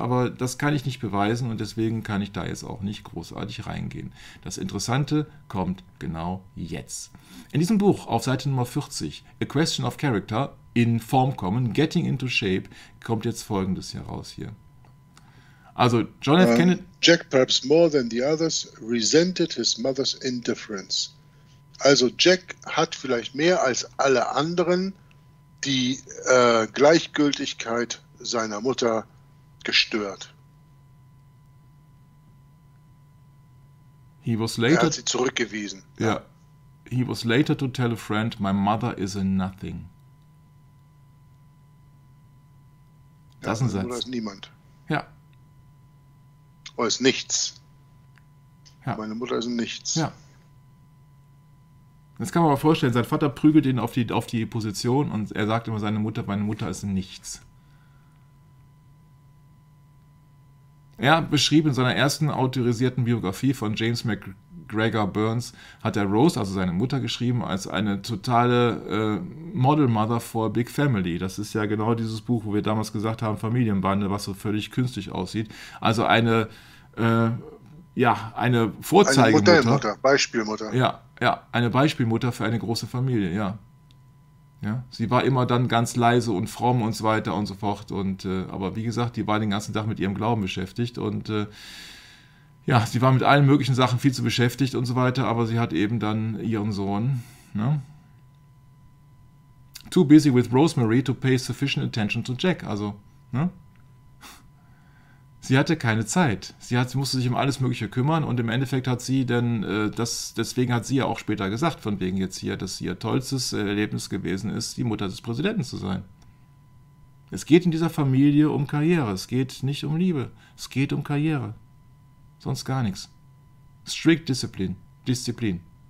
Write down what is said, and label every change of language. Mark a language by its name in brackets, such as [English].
[German] Aber das kann ich nicht beweisen und deswegen kann ich da jetzt auch nicht großartig reingehen. Das Interessante kommt genau jetzt. In diesem Buch auf Seite Nummer 40, A Question of Character, in Form kommen, Getting into Shape, kommt jetzt Folgendes heraus hier. Also, John F. Kennedy... [English] Jack, perhaps more than the others, resented his mother's indifference. [German] Also, Jack hat vielleicht mehr als alle anderen die Gleichgültigkeit seiner Mutter gestört. [English] He was later, [German] er hat sie zurückgewiesen. [English] Yeah. He was later to tell a friend, my mother is a nothing. [German] Ja, das ist ein Satz. Oder ist niemand. Ja. Oder ist nichts. Ja. Meine Mutter ist ein Nichts. Ja. Das kann man aber vorstellen, sein Vater prügelt ihn auf die Position und er sagt immer, meine Mutter ist ein Nichts. Er beschrieb in seiner ersten autorisierten Biografie von James McGregor Burns, hat er Rose, also seine Mutter, geschrieben, als eine totale [English] Model Mother for Big Family. [German] Das ist ja genau dieses Buch, wo wir damals gesagt haben, Familienbande, was so völlig künstlich aussieht. Also eine Vorzeigemutter. Eine Modellmutter, Beispielmutter. Ja, ja, eine Beispielmutter für eine große Familie, ja. Ja, sie war immer dann ganz leise und fromm und so weiter und so fort. Und aber wie gesagt, die war den ganzen Tag mit ihrem Glauben beschäftigt. Und sie war mit allen möglichen Sachen viel zu beschäftigt und so weiter. Aber sie hat eben dann ihren Sohn, ne? [English] Too busy with Rosemary to pay sufficient attention to Jack. [German] Also, ne? Sie hatte keine Zeit. Sie musste sich um alles Mögliche kümmern und im Endeffekt hat sie denn deswegen hat sie ja auch später gesagt, von wegen jetzt hier, dass sie ihr tollstes Erlebnis gewesen ist, die Mutter des Präsidenten zu sein. Es geht in dieser Familie um Karriere. Es geht nicht um Liebe. Es geht um Karriere. Sonst gar nichts. [English] Strict Discipline. [German] Disziplin.